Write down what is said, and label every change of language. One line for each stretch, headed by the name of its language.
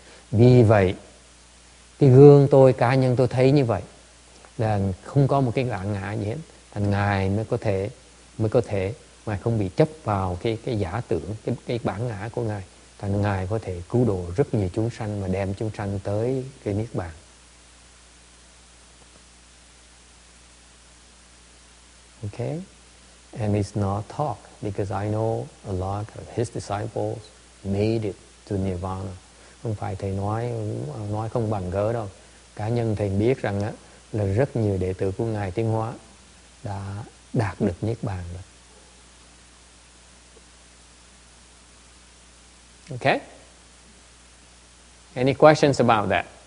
Vietnamese: Vì vậy, cái gương tôi, cá nhân tôi thấy như vậy, là không có một cái ngã ngã gì hết. Thành ngài mới có thể mà không bị chấp vào cái giả tưởng, cái bản ngã của ngài. Thành ngài có thể cứu độ rất nhiều chúng sanh và đem chúng sanh tới cái niết bàn.
English: Okay, and it's not talk, because I know a lot of his disciples made it to nirvana.
Vietnamese: Không phải thầy nói không bằng gỡ đâu. Cá nhân thầy biết rằng á là rất nhiều đệ tử của ngài Tiến Hóa đã đạt được niết bàn rồi.
English: Okay? Any questions about that?